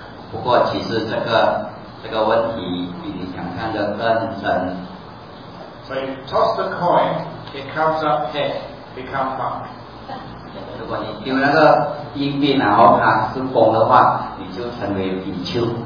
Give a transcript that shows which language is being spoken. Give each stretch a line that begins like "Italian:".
Chinese: 不过其实这个问题比你想看的更深。
English: So you toss the coin, it comes up head, become monk.
Chinese: 如果你丢那个硬币，然后它是风的话，你就成为比丘。